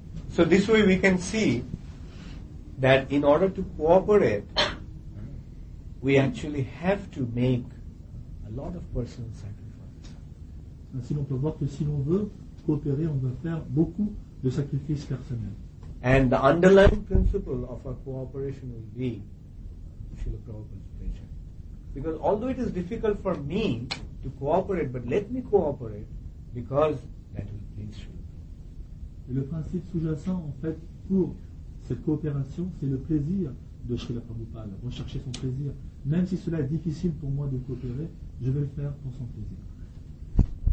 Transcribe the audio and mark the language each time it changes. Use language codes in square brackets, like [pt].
[en] So this way we can see that in order to cooperate, we actually have to make a lot of personal sacrifices. [fr] Ainsi, on peut voir que si l'on veut coopérer, on doit faire beaucoup de sacrifices personnels. [en] And the underlying principle of our cooperation will be Srila Prabhupada's vision. Because although it is difficult for me to cooperate, but let me cooperate because that will please Srila Prabhupada. [fr] Le principe sous-jacent, en fait, pour cette coopération, c'est le plaisir de Srila Prabhupada, rechercher son plaisir. Même si cela est difficile pour moi de coopérer, je vais le faire pour son plaisir.